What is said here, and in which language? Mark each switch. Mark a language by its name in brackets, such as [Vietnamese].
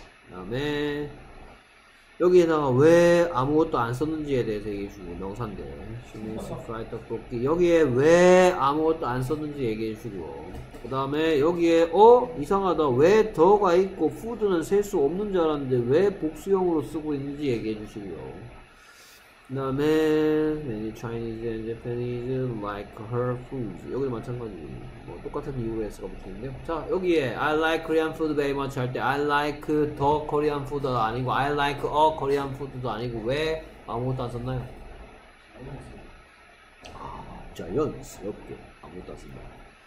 [Korean] 그 다음에 여기에다가 왜 아무것도 안 썼는지에 대해서 얘기해 주시고, 명사인데. [English] She means fried tteokbokki. [Korean] 여기에 왜 아무것도 안 썼는지 얘기해 주시고요. 그 다음에 여기에 어? 이상하다 왜 더가 있고 푸드는 셀 수 없는 줄 알았는데 왜 복수형으로 쓰고 있는지 얘기해 주시고요. [English] 그 다음에 Many Chinese and Japanese like her foods. [Korean] 여기 마찬가지 뭐 똑같은 이유로 S가 붙어있는데요. 자 여기에 [English] I like Korean food very much [Korean] 할 때 [English] I like the Korean food [Korean] 아니고 [English] I like a Korean food [Korean] 도 아니고 왜 아무것도 안 썼나요? 아 자연스럽게 아무것도 안 썼나요?